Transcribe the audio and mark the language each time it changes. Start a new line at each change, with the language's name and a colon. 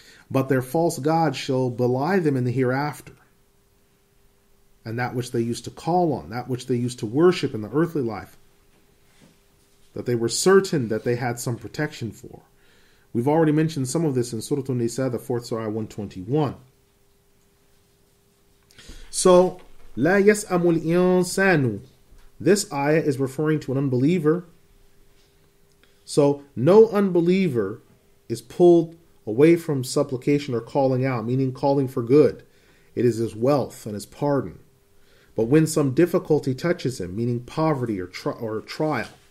English: But their false gods shall belie them in the hereafter. and that which they used to call on, that which they used to worship in the earthly life, that they were certain that they had some protection for. We've already mentioned some of this in Surah An-Nisa, the fourth surah, 121. So,
Arabic: لَا يَسْأَمُ الْإِنسَانُ.
English: This ayah is referring to an unbeliever. So, no unbeliever is pulled away from supplication or calling out, meaning calling for good. It is his wealth and his pardon. But when some difficulty touches him, meaning poverty or trial.